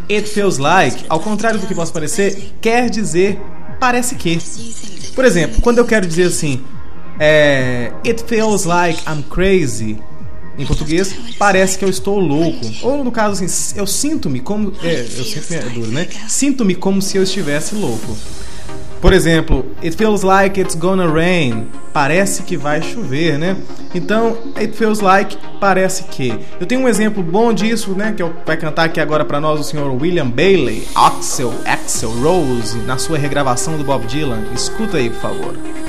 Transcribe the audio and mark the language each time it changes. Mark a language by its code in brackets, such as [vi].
[en] It feels like, [pt] ao contrário do que possa parecer, quer dizer parece que. Por exemplo, quando eu quero dizer assim, [en] it feels like I'm crazy, [pt] em português, parece que eu estou louco. Ou no caso assim, eu sinto-me como... eu sinto-me duro, né? Sinto-me como se eu estivesse louco. Por exemplo, [en] it feels like it's gonna rain. [pt] Parece que vai chover, né? Então, [en] it feels like, [pt] parece que. Eu tenho um exemplo bom disso, né? Que vai cantar aqui agora pra nós o senhor William Bailey, Axel Rose, na sua regravação do Bob Dylan. Escuta aí, por favor.